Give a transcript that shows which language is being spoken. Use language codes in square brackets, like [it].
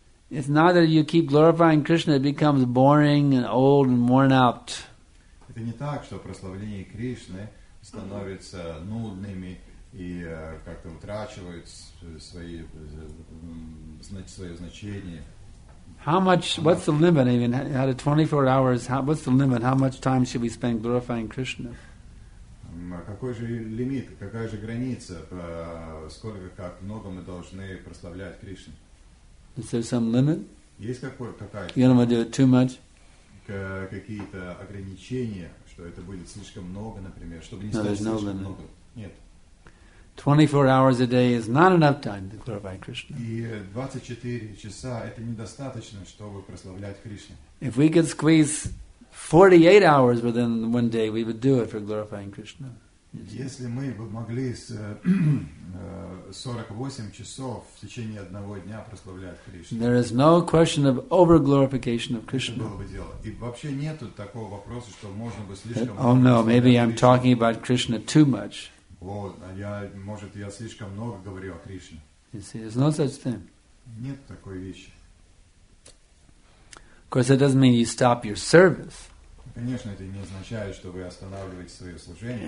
[en] It's not that you keep glorifying Krishna, it becomes boring and old and worn out. [ru] Это не так, что прославление Кришны становится нудными и как-то утрачивает свое значение. [en] How much, what's the limit? Even out of 24 hours, what's the limit? How much time should we spend glorifying Krishna? [ru] Какой же лимит, какая же граница, сколько, как много мы должны прославлять Кришну? [en] Is there some limit? [ru] Есть какая-то? [en] You don't want to do it too much? [ru] Какие-то ограничения, что это будет слишком много, например, чтобы не [en] no, [ru] стать слишком [en] no [ru] много. Нет. [en] 24 hours a day is not enough time to glorify Krishna. [ru] И 24 часа это недостаточно, чтобы прославлять Кришну. [en] If we could squeeze 48 hours within one day, we would do it for glorifying Krishna. [ru] Если мы бы могли 48 часов в течение одного дня прославлять Кришну. [en] There is no question of over glorification of Krishna. [ru] Это было бы дело. И вообще нету такого вопроса, что можно бы слишком. [en] Oh no, maybe I'm talking about Krishna too much. [ru] Вот, может, я слишком много говорю о Кришне. [en] There's no such thing. [ru] Нет такой вещи. [en] Of course, it doesn't mean you stop your service. [ru] Конечно, это не означает, что вы останавливаете свое служение.